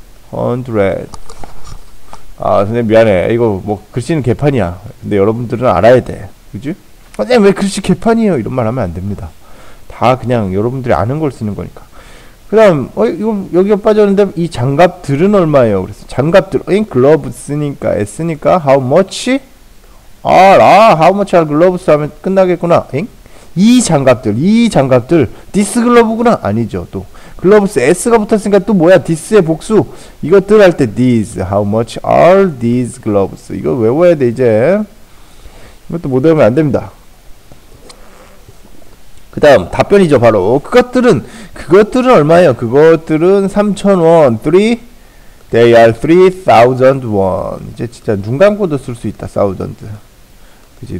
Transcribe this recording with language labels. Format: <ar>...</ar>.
<ko>100. 아, 선생님 미안해. 이거 뭐 글씨는 개판이야. 근데 여러분들은 알아야 돼. 그지? 선생님 왜 글씨 개판이에요? 이런 말 하면 안 됩니다. 다 그냥 여러분들이 아는 걸 쓰는 거니까. 그다음 이거 여기가 빠졌는데 이 장갑들은 얼마예요? 그래서 장갑들 in gloves니까 S니까 how much? 아,</ko> <en>how much are gloves</en> <ko>하면 끝나겠구나. 잉? 이 장갑들 this glove구나. 아니죠. 또 gloves S가 붙었으니까 또 뭐야? this의 복수. 이것들 할때</ko> <en>these how much are these gloves?</en> <ko>이거 외워야 돼 이제. 이것도 못 외우면 안 됩니다. 그 다음, 답변이죠, 바로. 그것들은 얼마예요? 그것들은 3,000원.</ko> <en>Three? They are</en> <ko>3,000원. 이제 진짜 눈 감고도 쓸수 있다, 사우전드. 그지?</ko>